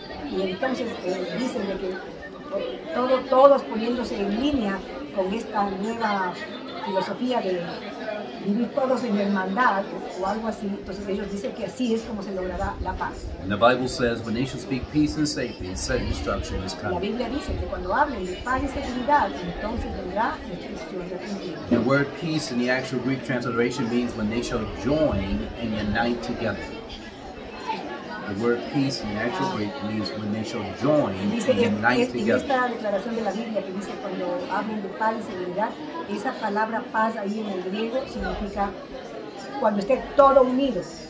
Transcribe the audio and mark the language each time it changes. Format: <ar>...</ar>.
<es>Y entonces dicen de que todos poniéndose en línea con esta nueva filosofía de vivir todos en hermandad o algo así, entonces ellos dicen que así es como se logrará la paz.</es> <en>And the Bible says when nations speak peace and safety, certain destruction is coming.</en> <es>La Biblia dice que cuando hablen de paz y seguridad, entonces vendrá destrucción repentina.</es> <en>The word peace in the actual Greek transliteration means when they shall join and unite together. The word peace in actual Greek means when they shall join and unite together.</en> <es>Esta declaración de la Biblia que dice cuando hablen de paz y seguridad, esa palabra paz ahí en el griego significa cuando esté todo unido.</es>